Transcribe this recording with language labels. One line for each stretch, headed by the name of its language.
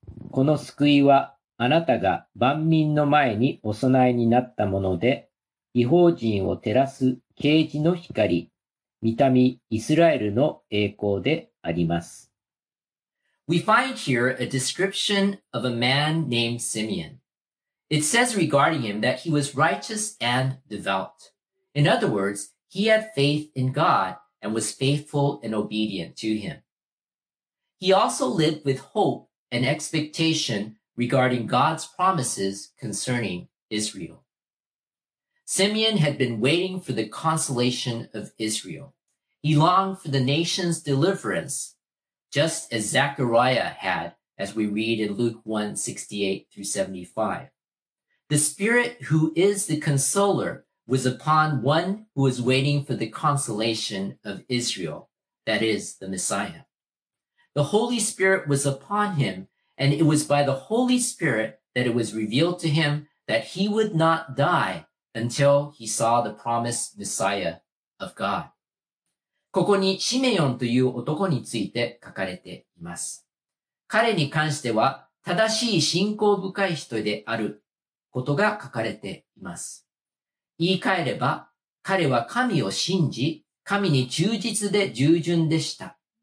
Japanese: この救いはあなたが万民の前にお供えになったもので、異邦人を照らす啓示の光、御民イスラエルの栄光であります。
English: We find here a description of a man named Simeon. It says regarding him that he was righteous and devout. In other words, he had faith in God and was faithful and obedient to him. He also lived with hope and expectation regarding God's promises concerning Israel. Simeon had been waiting for the consolation of Israel. He longed for the nation's deliverance, just as Zechariah had, as we read in Luke 1:68-75. The Spirit who is the Consoler was upon one who was waiting for the consolation of Israel, that is, the Messiah. The Holy Spirit was upon him, and it was by the Holy Spirit that it was revealed to him that he would not die until he saw the promised Messiah of God.
Japanese: ここにシメヨンという男について書かれています。彼に関しては正しい信仰深い人であることが書かれています。言い換えれば、彼は神を信じ、神に忠実で従順でした。